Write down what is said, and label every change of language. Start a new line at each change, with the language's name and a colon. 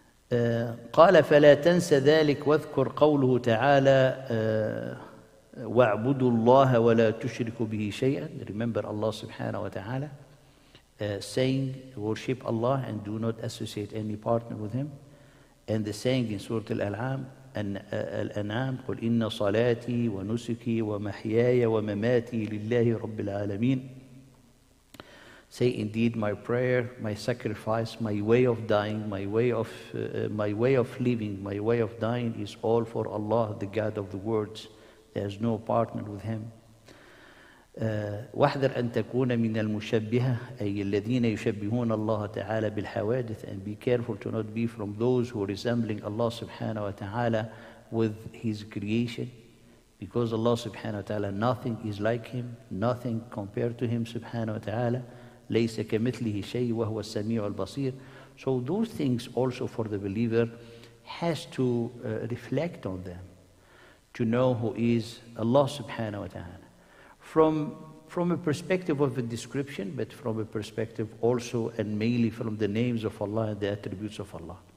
Arabic: قَالَ فَلَا تَنْسَ ذَلِكَ وَاذْكُرْ قَوْلُهُ تَعَالَى وَاعْبُدُوا اللَّهَ وَلَا تُشْرِكُوا بِهِ شَيْئًا.
English: Remember Allah subhanahu wa ta'ala saying, worship Allah and do not associate any partner with Him. And the saying in Surah Al-An'am,
Arabic: الأنام قل إن صلاتي ونسكي ومحياي ومماتي لله رب العالمين.
English: Say indeed my prayer, my sacrifice, my way of dying, my way of living, my way of dying is all for Allah, the God of the worlds. There is no partner with Him.
Arabic: واحذر أن تكون من المشبهة أي الذين يشبهون الله تعالى بالحوادث.
English: And be careful to not be from those who are resembling Allah subhanahu wa ta'ala with His creation, because Allah subhanahu wa ta'ala, nothing is like Him, nothing compared to Him subhanahu wa ta'ala.
Arabic: ليس كمثله شيء وهو السميع البصير.
English: So those things also for the believer has to reflect on them to know who is Allah subhanahu wa ta'ala. From a perspective of a description, but from a perspective also and mainly from the names of Allah and the attributes of Allah.